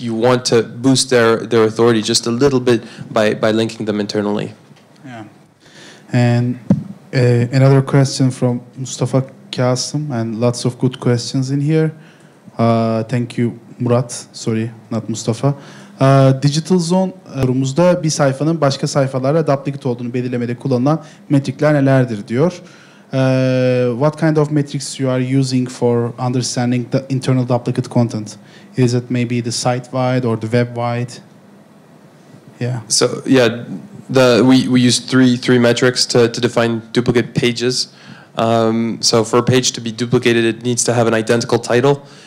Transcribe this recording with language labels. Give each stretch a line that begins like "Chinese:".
English: You want to boost their authority just a little bit by linking them internally. Yeah. And another question from Mustafa Kasım, and lots of good questions in here. Thank you, Murat. Sorry, not Mustafa.
Turkish: Digitalzone'umuzda bir sayfanın başka sayfalarla duplicate olduğunu belirlemede kullanılan metrikler nelerdir diyor.
English: What kind of metrics you are using for understanding the internal duplicate content? Is it maybe the site-wide or the web-wide? Yeah. So yeah, we use three metrics to define duplicate pages. So for a page to be duplicated, it needs to have an identical title.